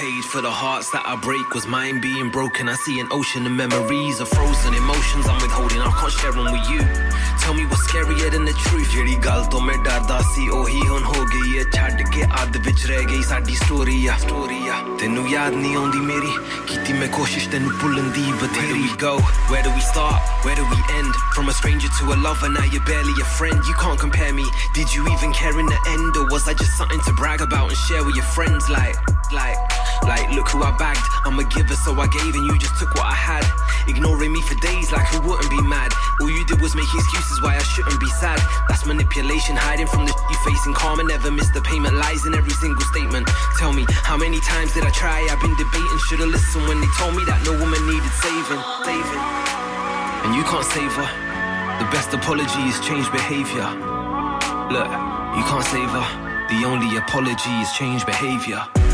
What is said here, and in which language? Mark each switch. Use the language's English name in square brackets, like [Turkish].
[English] for the hearts that I break was mine being broken. I see an ocean of memories of frozen emotions I'm withholding. I can't share them with you. Tell me what's scarier than the truth. [Punjabi] Jehdi gal to main darda si ohi hun ho gayi hai chhad ke. ਕੇ ਅੱਧ ਵਿੱਚ ਰਹਿ ਗਈ ਸਾਡੀ story ਆ story ਆ ਤੈਨੂੰ ਯਾਦ ਨਹੀਂ ਆਉਂਦੀ ਮੇਰੀ ਕੀਤੀ ਮੈਂ ਕੋਸ਼ਿਸ਼ ਤੈਨੂੰ ਭੁੱਲਣ ਦੀ ਬਥੇਰੀ [English] Go where do we start where do we end from a stranger to a lover now you barely a friend you can't compare me did you even care in the end or was I just something to brag about and share with your friends like look who I bagged I'm a giver so I gave and you just took what I had Ignoring me for days like who wouldn't be mad All you did was make excuses why I shouldn't be sad That's manipulation, hiding from the shit you're facing Karma never missed the payment, lies in every single statement Tell me, how many times did I try? I've been debating, should've listened when they told me that no woman needed saving And you can't save her The best apology is change behavior Look, you can't save her The only apology is change behavior